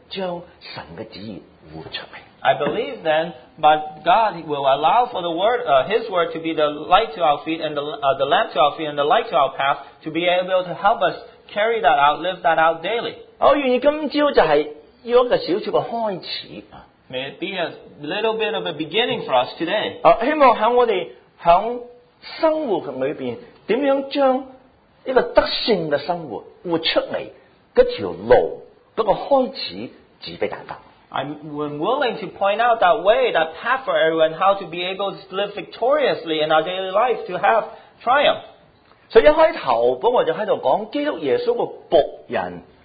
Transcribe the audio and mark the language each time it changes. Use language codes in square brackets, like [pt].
[zh] 我相信神就藉着主的话来成为你脚前的灯路上的光你一日一日你就能够渐渐将神的旨意活出来。 [en] I believe then, but God will allow for the word, His word to be the light to our feet and the lamp to our feet and the light to our path to be able to help us carry that out, live that out daily. [zh] 我愿意今早就是一个小小的开始。 [en] May it be a little bit of a beginning for us today. [zh] 希望在我们在生活里面怎么样将一个德性的生活活出来那条路那个开始指给大家。 [en] I'm willing to point out that way, that path for everyone, how to be able to live victoriously in our daily life, to have triumph. [zh] 所以一开始我就在讲基督耶稣的仆人。